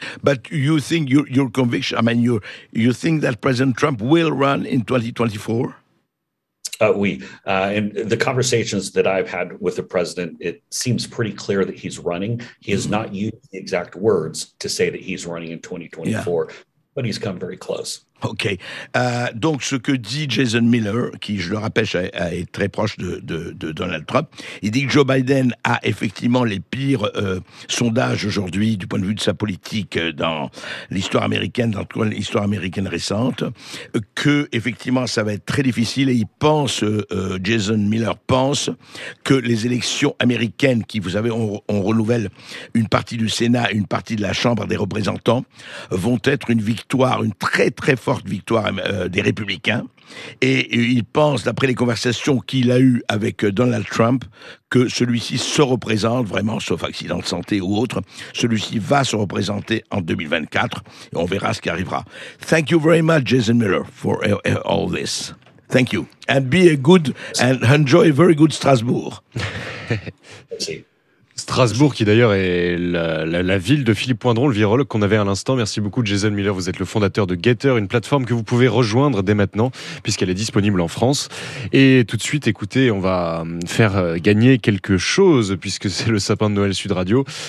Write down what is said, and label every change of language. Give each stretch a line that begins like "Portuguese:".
English: But you think your conviction, I mean, you think that President Trump will run in 2024? And the conversations that I've had with the president, it seems pretty clear that he's running. He has not used the exact words to say that he's running in 2024, but he's come very close. OK.
French: Donc, ce que dit Jason Miller, qui, je le rappelle, est très proche de Donald Trump, il dit que Joe Biden a effectivement les pires sondages aujourd'hui du point de vue de sa politique dans l'histoire américaine, dans l'histoire américaine récente, que effectivement, ça va être très difficile et il pense, Jason Miller pense, que les élections américaines qui, vous savez, on renouvelle une partie du Sénat, une partie de la Chambre des représentants, vont être une, vic- victoire, une très très forte victoire des Républicains. Et il pense, d'après les conversations qu'il a eues avec Donald Trump, que celui-ci se représente vraiment, sauf accident de santé ou autre, celui-ci va se représenter en 2024. Et on verra ce qui arrivera.
English: Thank you very much, Jason Miller, for all this. Thank you. And be a good, and enjoy a very good Strasbourg.
French: Merci. Strasbourg, qui d'ailleurs est la ville de Philippe Poindron, le virologue qu'on avait à l'instant. Merci beaucoup, Jason Miller. Vous êtes le fondateur de Gaiter, une plateforme que vous pouvez rejoindre dès maintenant, puisqu'elle est disponible en France. Et tout de suite, écoutez, on va faire gagner quelque chose, puisque c'est le sapin de Noël Sud Radio.